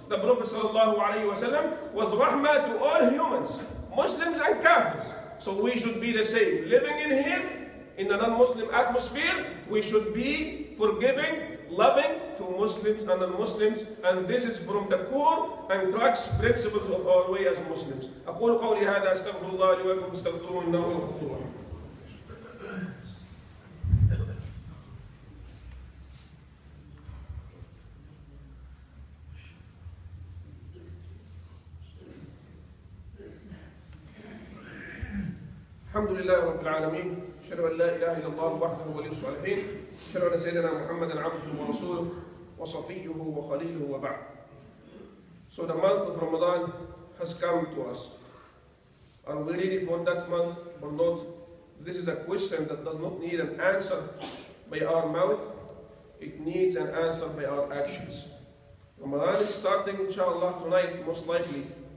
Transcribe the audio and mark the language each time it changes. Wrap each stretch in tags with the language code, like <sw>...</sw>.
<en>The Prophet sallallahu alayhi wa sallam was rahmah to all humans, Muslims and kafirs. So we should be the same. Living in here, in a non-Muslim atmosphere, we should be forgiving, loving to Muslims and non-Muslims. And this is from the core and crux principles of our way as Muslims.</en> <ar>أقول قولي هذا أستغفر الله لي ولكم فاستغفروه إنه هو الغفور. الحمد لله رب العالمين. أشهد أن لا إله إلا الله وحده ولي الصالحين. أشهد أن سيدنا محمد عبده ورسوله وصفيه وخليله وبعد.</ar> <en>So the month of Ramadan has come to us. Are we ready for that month or not? This is a question that does not need an answer by our mouth. It needs an answer by our actions. Ramadan is starting inshallah tonight, most likely.</en>